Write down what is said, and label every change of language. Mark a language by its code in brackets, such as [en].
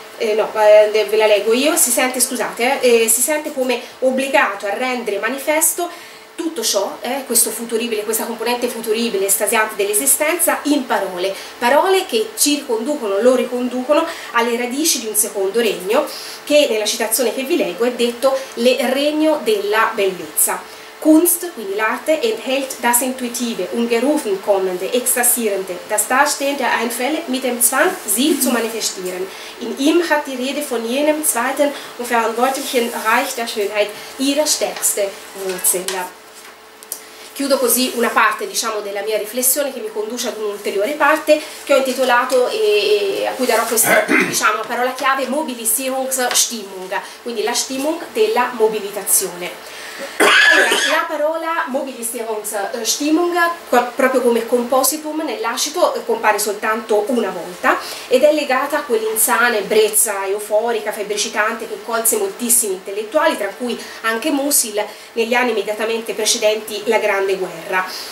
[it] si sente come obbligato a rendere manifesto tutto ciò, questo futuribile, questa componente futuribile, estasiante dell'esistenza, in parole, parole che ci riconducono, lo riconducono alle radici di un secondo regno, che nella citazione che vi leggo è detto il regno della bellezza. [de] Kunst, [it] quindi l'arte, [de] enthält das intuitive, ungerufen kommende, extasierende, das dastehende Einfälle mit dem Zwang, sie zu manifestieren. In ihm hat die Rede von jenem zweiten und verantwortlichen Reich der Schönheit ihre stärkste Wurzel. [it] Chiudo così una parte, diciamo, della mia riflessione che mi conduce ad un'ulteriore parte che ho intitolato e a cui darò questa, diciamo, parola chiave, Mobilisierungsstimmung, quindi la Stimmung della mobilitazione. Allora, la parola Mobilisierungsstimmung, proprio come compositum nell'ascito, compare soltanto una volta ed è legata a quell'insana ebbrezza euforica, febbricitante che colse moltissimi intellettuali, tra cui anche Musil, negli anni immediatamente precedenti la Grande Guerra.